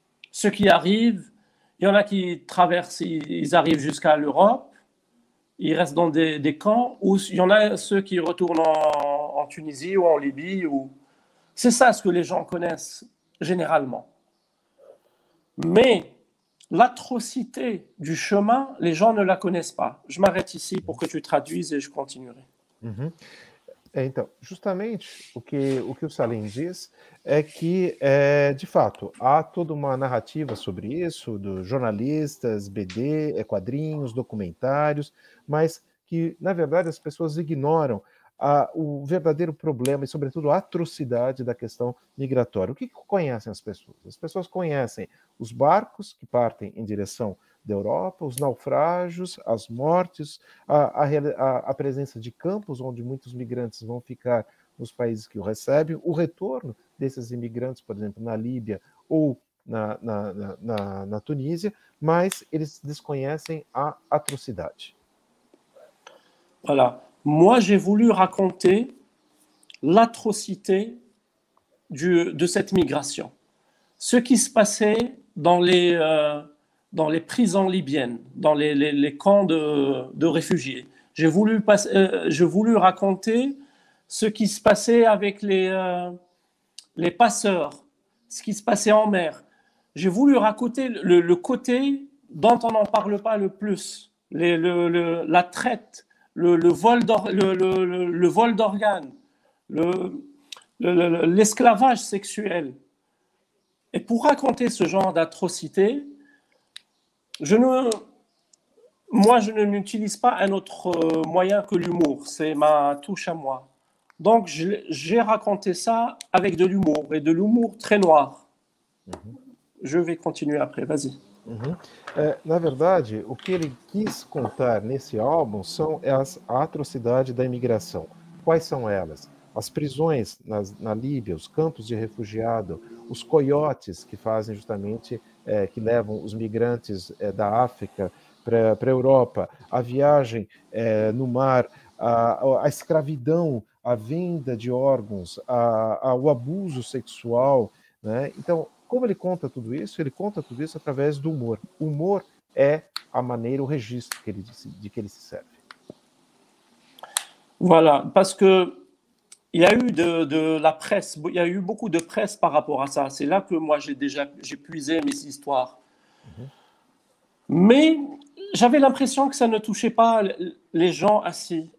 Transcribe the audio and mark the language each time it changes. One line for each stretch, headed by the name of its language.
French: Ceux qui arrivent, il y en a qui traversent, ils arrivent jusqu'à l'Europe, ils restent dans des camps, ou il y en a ceux qui retournent en Tunisie ou en Libye. C'est ça ce que les gens connaissent généralement. Mais l'atrocité du chemin, les gens ne la connaissent pas. Je m'arrête ici pour que tu traduises et je continuerai. Uhum.
Portuguese: Então, justamente o que o Salim diz é que, de fato, há toda uma narrativa sobre isso, dos jornalistas, BD, quadrinhos, documentários, mas que, na verdade, as pessoas ignoram o verdadeiro problema e, sobretudo, a atrocidade da questão migratória. O que conhecem as pessoas? As pessoas conhecem os barcos que partem em direção da Europa, os naufrágios, as mortes, a presença de campos onde muitos migrantes vão ficar nos países que o recebem, o retorno desses imigrantes, por exemplo, na Líbia ou na Tunísia, mas eles desconhecem a atrocidade.
French: Voilà. Moi, j'ai voulu raconter l'atrocité de cette migration. Ce qui se passait dans les prisons libyennes, dans les camps de réfugiés. J'ai voulu raconter ce qui se passait avec les passeurs, ce qui se passait en mer. J'ai voulu raconter le côté dont on n'en parle pas le plus, la traite, le vol d'organes, l'esclavage sexuel. Et pour raconter ce genre d'atrocité, Je ne n'utilise pas un autre moyen que l'humour, c'est ma touche à moi. Donc j'ai raconté ça avec de l'humour, et de l'humour très noir. Uhum. Je vais continuer après, vas-y. Uhum.
Portuguese: Na verdade, o que ele quis contar nesse álbum são as atrocidades da imigração. Quais são elas? As prisões na Líbia, os campos de refugiado, os coiotes que fazem justamente, que levam os migrantes da África para a Europa, a viagem no mar, a escravidão, a venda de órgãos, o abuso sexual, né? Então, como ele conta tudo isso? Ele conta tudo isso através do humor. O humor é a maneira, o registro que ele disse, de que ele se serve.
French: Voilà, parce que il y a eu de la presse, il y a eu beaucoup de presse par rapport à ça. C'est là que moi, j'ai puisé mes histoires. Mm-hmm. Mais j'avais l'impression que ça ne touchait pas les gens assez.